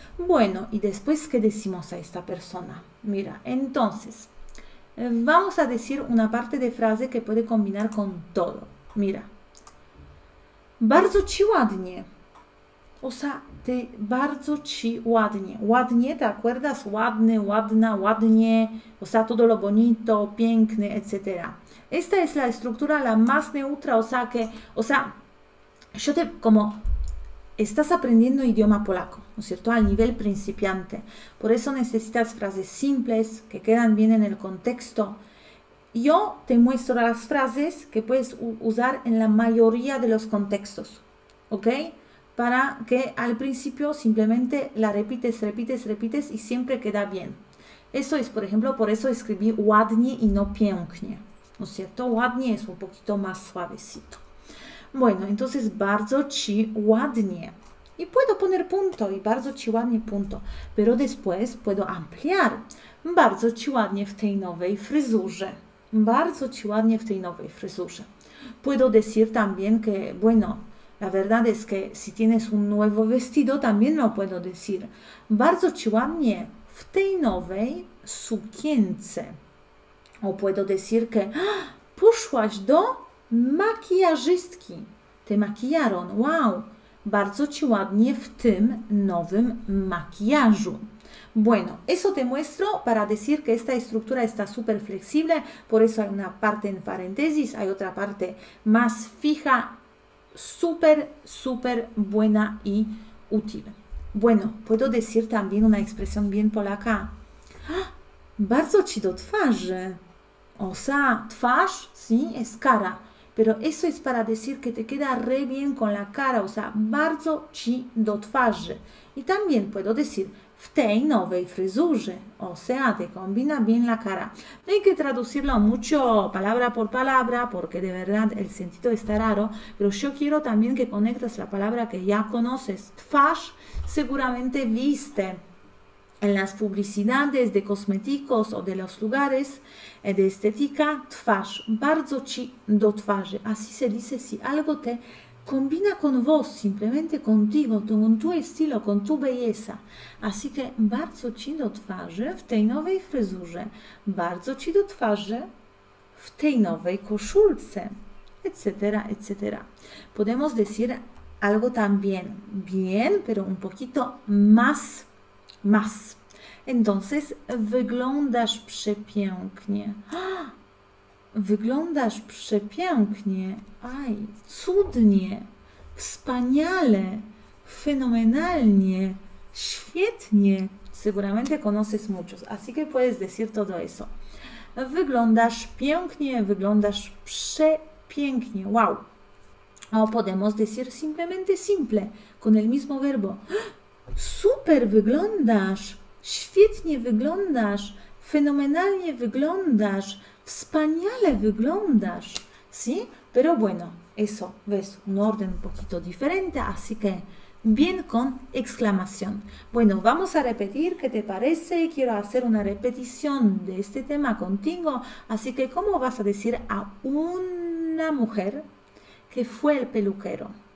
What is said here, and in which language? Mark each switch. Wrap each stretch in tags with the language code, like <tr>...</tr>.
<es>Bueno, ¿y después qué decimos a esta persona? Mira, entonces, vamos a decir una parte de frase que puede combinar con todo.</es> <pl>Mira, bardzo ci ładnie.</pl> <es>O sea, te</es> <pl>bardzo ci ładnie. Ładnie,</pl> <es>¿te acuerdas?</es> <pl>Ładny, ładna, ładnie.</pl> <es>O sea, todo lo bonito, piękne, etc. Esta es la estructura la más neutra. O sea, que, o sea, yo te, como estás aprendiendo idioma polaco, ¿no es cierto? A nivel principiante. Por eso necesitas frases simples que quedan bien en el contexto. Yo te muestro las frases que puedes usar en la mayoría de los contextos. ¿Ok? Para que al principio simplemente la repites, repites, repites y siempre queda bien. Eso es, por ejemplo, por eso escribí ładnie y no pięknie. ¿No es cierto? Ładnie es un poquito más suavecito. Bueno, entonces,</es> <pl>bardzo ci ładnie.</pl> <es>Y puedo poner punto y</es> <pl>bardzo ci ładnie</pl> <es>punto. Pero después puedo ampliar.</es> <pl>Bardzo ci ładnie w tej nowej fryzurze. Bardzo ci ładnie w tej nowej fryzurze.</pl> <es>Puedo decir también que, bueno, la verdad es que si tienes un nuevo vestido, también lo puedo decir.</es> <pl>Bardzo ci ładnie w tej nowej sukience.</pl> <es>O puedo decir que</es> <pl>poszłaś do makijażystki.</pl> <es>Te maquillaron. ¡Wow!</es> <pl>Bardzo ci ładnie w tym nowym makijażu.</pl> <es>Bueno, eso te muestro para decir que esta estructura está súper flexible. Por eso hay una parte en paréntesis, hay otra parte más fija. Súper, súper buena y útil. Bueno, puedo decir también una expresión bien polaca.</es> <pl>Bardzo ci do twarzy.</pl> <es>O sea, twarz, sí, es cara. Pero eso es para decir que te queda re bien con la cara. O sea,</es> <pl>bardzo ci do twarzy.</pl> <es>Y también puedo decir</es> <pl>w tej nowej fryzurze.</pl> <es>O sea, te combina bien la cara. No hay que traducirlo mucho palabra por palabra, porque de verdad el sentido está raro. Pero yo quiero también que conectes la palabra que ya conoces. Twarz, seguramente viste en las publicidades de cosméticos o de los lugares de estética.</es> <pl>Twarz, bardzo ci do twarzy.</pl> <es>Así se dice si algo te combina con vos, simplemente contigo, con tu estilo, con tu belleza. Así que,</es> <pl>bardzo ci do twarzy w tej nowej fryzurze, bardzo ci do twarzy w tej nowej koszulce, etc., etc.</pl> <es>Podemos decir algo también bien, pero un poquito más, más. Entonces,</es> <pl>wyglądasz przepięknie. ¡Ah! Wyglądasz przepięknie, ay, cudnie, wspaniale, fenomenalnie, świetnie.</pl> <es>Seguramente conoces muchos, así que puedes decir todo eso.</es> <pl>Wyglądasz pięknie, wyglądasz przepięknie, wow.</pl> <es>O podemos decir simplemente simple, con el mismo verbo.</es> <pl>Super wyglądasz, świetnie wyglądasz, fenomenalnie wyglądasz. Wspaniale wyglądasz,</pl> <es>¿sí? Pero bueno, eso, ves, un orden un poquito diferente, así que bien con exclamación. Bueno, vamos a repetir, ¿qué te parece? Quiero hacer una repetición de este tema contigo, así que ¿cómo vas a decir a una mujer que fue el peluquero?</es>